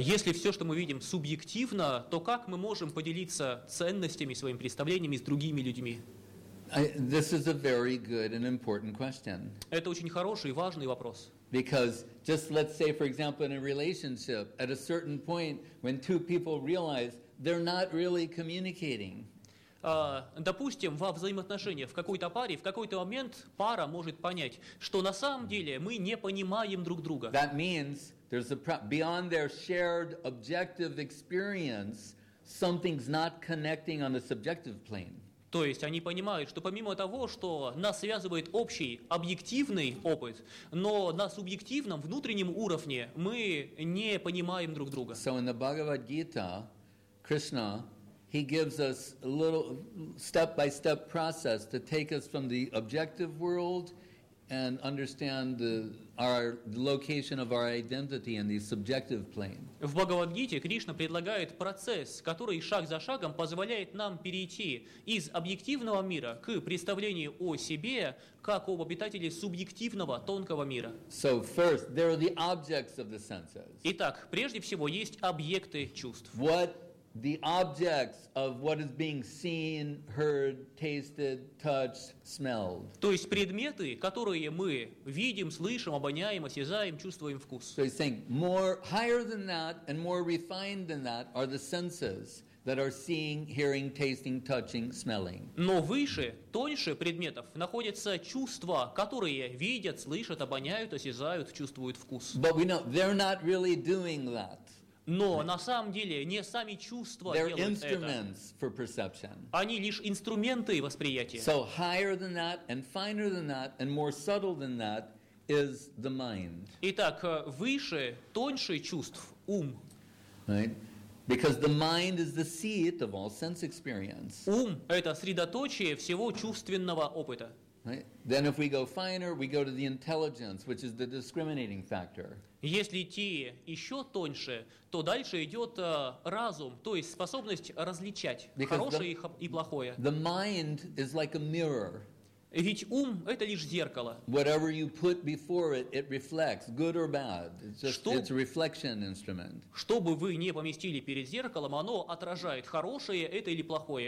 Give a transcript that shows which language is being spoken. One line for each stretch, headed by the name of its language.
Russian: Если все, что мы видим, субъективно, то как мы можем поделиться ценностями, своими представлениями с другими людьми?
English: This is a very good and important question.
Russian: Это очень хороший и важный вопрос.
English: Because just let's say, for example, in a relationship, at a certain point, when two people realize they're not really communicating.
Russian: Допустим, во взаимоотношениях, в какой-то паре, в какой-то момент пара может понять, что на самом деле мы не понимаем друг друга.
English: That means there's a beyond their shared objective experience, something's not connecting on the subjective plane.
Russian: То есть они понимают, что помимо того, что нас связывает общий объективный опыт, но на субъективном, внутреннем уровне мы не понимаем друг друга.
English: So in the Bhagavad-gita, Krishna, He gives us a little step-by-step process to take us from the objective world and understand the location of our identity in the subjective plane.
Russian: В Бхагавад-гите Кришна предлагает процесс, который шаг за шагом позволяет нам перейти из объективного мира к представлению о себе как об обитателе субъективного тонкого мира.
English: So first, there are the objects of the senses.
Russian: Итак, прежде всего есть объекты чувств.
English: What The objects of what is being seen, heard, tasted, touched, smelled.
Russian: То есть предметы, которые мы видим, слышим, обоняем, осязаем, чувствуем вкус.
English: So he's saying more higher than that and more refined than that are the senses that are seeing, hearing, tasting, touching, smelling.
Russian: Но выше, тоньше предметов находятся чувства, которые видят, слышат, обоняют, осязают, чувствуют вкус.
English: But we know they're not really doing that.
Russian: Но на самом деле не сами чувства
English: They're
Russian: делают
English: instruments
Russian: это.
English: For perception.
Russian: Они лишь инструменты восприятия.
English: So higher than that, and finer than that, and more subtle than that is the mind.
Russian: Итак, выше, тоньше чувств ум.
English: Right? Because the mind is the seat of all sense experience.
Russian: Ум — это средоточие всего чувственного опыта.
English: Right? Then if we go finer, we go to the intelligence, which is the discriminating factor.
Russian: Если идти еще тоньше, то дальше идет разум, то есть способность различать хорошее и плохое.
English: The mind is like a mirror.
Russian: Ведь ум — это лишь зеркало.
English: Whatever you put before it, it reflects, good or bad. It's a reflection instrument.
Russian: Что бы вы ни поместили перед зеркалом, оно отражает хорошее это или плохое.